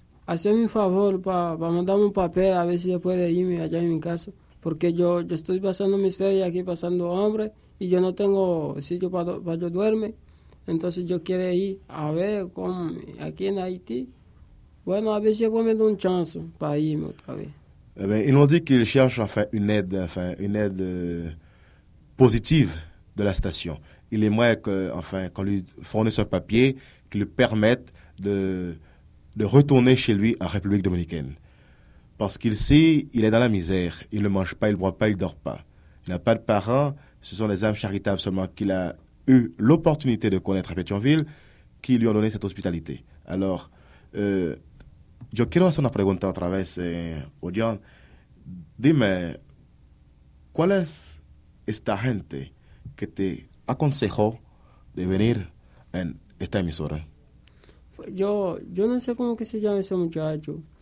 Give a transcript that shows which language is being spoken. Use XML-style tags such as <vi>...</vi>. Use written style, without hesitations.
<es>Hacerme un favor para pa mandarme un papel a ver si después de irme allá en mi casa. Porque yo estoy pasando miseria aquí, pasando hambre, y yo no tengo sitio para pa yo duerme. Entonces yo quiero ir a ver con, aquí en Haití. Bueno, a ver si después me da un chance para irme otra vez.</es> <fr>Ils nous disent qu'ils cherchent une aide positive de la station. Il aimerait qu'on lui fournisse un papier qui lui permette de retourner chez lui en République dominicaine. Parce qu'il sait, il est dans la misère. Il ne mange pas, il ne boit pas, il ne dort pas. Il n'a pas de parents. Ce sont les âmes charitables seulement qu'il a eu l'opportunité de connaître à Petionville qui lui ont donné cette hospitalité.</fr> <es>Alors, yo quiero hacer una pregunta otra vez, Odion. Dime, ¿cuál es esta gente que te aconsejó de venir en esta emisora? Yo no sé cómo que se llama ese muchacho.</es>